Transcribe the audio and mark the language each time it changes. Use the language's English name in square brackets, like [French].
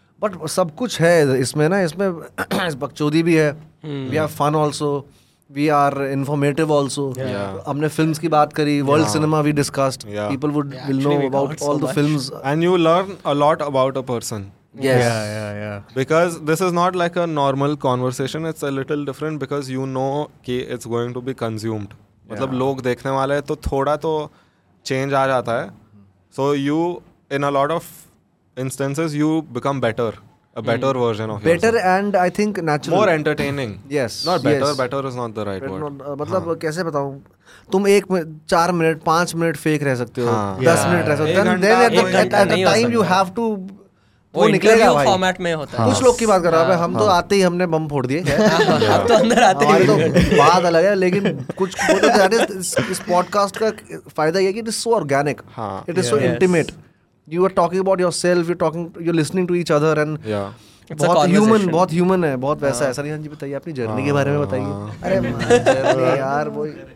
[English] but [Hindi] सब कुछ है इसमें ना इसमें बकचोदी भी है [English] we have fun also we are informative also [Hindi] हमने फिल्म्स की बात करी [English] World cinema we discussed people would will know about all the films and you learn a lot about a person Yes. Yeah. Because this is not like a normal conversation. It's a little different because you know that it's going to be consumed. [Hindi] मतलब लोग देखने वाले हैं तो थोड़ा तो change आ जाता है. [English] So you, in a lot of instances, you become better, a better version of better yourself. Better and I think natural. More entertaining. Yes. Not better. Yes. Better is not the right word. [Hindi] मतलब कैसे बताऊँ? तुम एक चार minute, पांच minute fake रह सकते हो. हाँ. दस मिनट रह सकते हो. [English] Then at the time you have to [Hindi] वो निकलेगा भाई फॉर्मेट में होता है कुछ लोग की बात कर रहा है हम तो आते ही हमने बम फोड़ दिए अब तो अंदर आते ही तो बात अलग है लेकिन कुछ इस पॉडकास्ट का फायदा ये है कि [English] it is so organic it is so intimate you are talking about yourself you are talking you are listening to each other and [Hindi] बहुत ह्यूमन है बहुत वैसा है सरिहन जी बताइए अपनी जर्नी के बारे में बताइए अरे यार वो